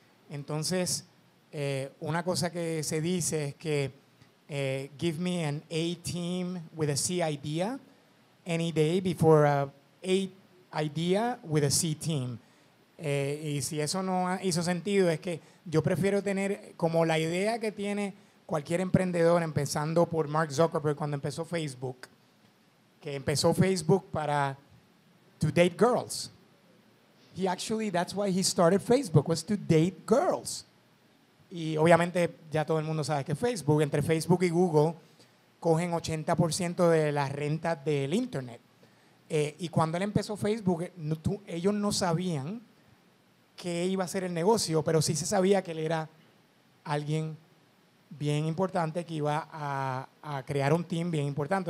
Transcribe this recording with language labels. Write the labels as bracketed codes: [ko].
[es] Entonces, una cosa que se dice es que [en] give me an A team with a C idea any day before an A idea with a C team. [es] Y si eso no hizo sentido, es que yo prefiero tener como la idea que tiene cualquier emprendedor, empezando por Mark Zuckerberg cuando empezó Facebook, que empezó Facebook para [en] to date girls. That's why he started Facebook, was to date girls. [es] Y obviamente ya todo el mundo sabe que Facebook, entre Facebook y Google, cogen 80% de las rentas del internet. Y cuando él empezó Facebook, ellos no sabían qué iba a ser el negocio, pero sí se sabía que él era alguien bien importante que iba a crear un team bien importante.